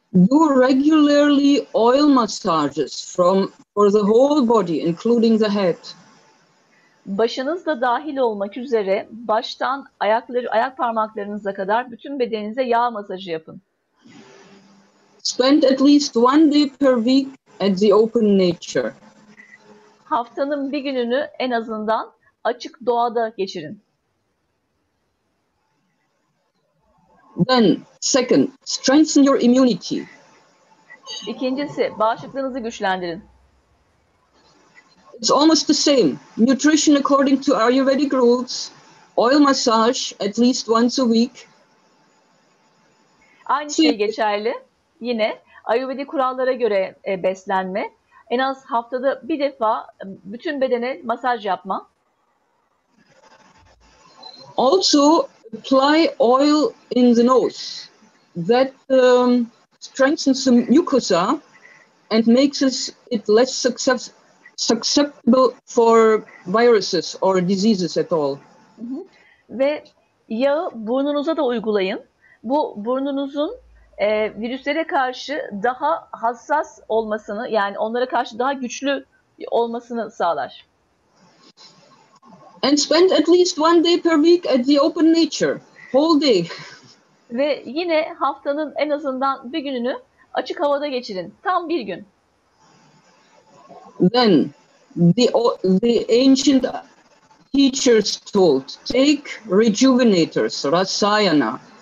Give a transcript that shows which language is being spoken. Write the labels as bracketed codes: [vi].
[en] Do regularly oil massages for the whole body, including the head. [tr] Başınız da dahil olmak üzere baştan ayak parmaklarınıza kadar bütün bedeninize yağ masajı yapın. [en] Spend at least one day per week at the open nature. [tr] Haftanın bir gününü en azından açık doğada geçirin. [en] Then, second, strengthen your immunity. [tr] İkincisi, bağışıklığınızı güçlendirin. [en] It's almost the same. Nutrition according to Ayurvedic rules, oil massage at least once a week. [tr] Aynı şey geçerli. Yine Ayurvedik kurallara göre beslenme. En az haftada bir defa bütün bedene masaj yapma. [en] Also apply oil in the nose that strengthens the mucosa and makes it less susceptible for viruses or diseases at all. [tr] Ve yağı burnunuza da uygulayın. Bu burnunuzun virüslere karşı daha hassas olmasını, yani onlara karşı daha güçlü olmasını sağlar. [en] And spend at least one day per week at the open nature, whole day. [tr] Ve yine haftanın en azından bir gününü açık havada geçirin, tam bir gün. [en] Then the ancient teachers told, take rejuvenators, rasayana.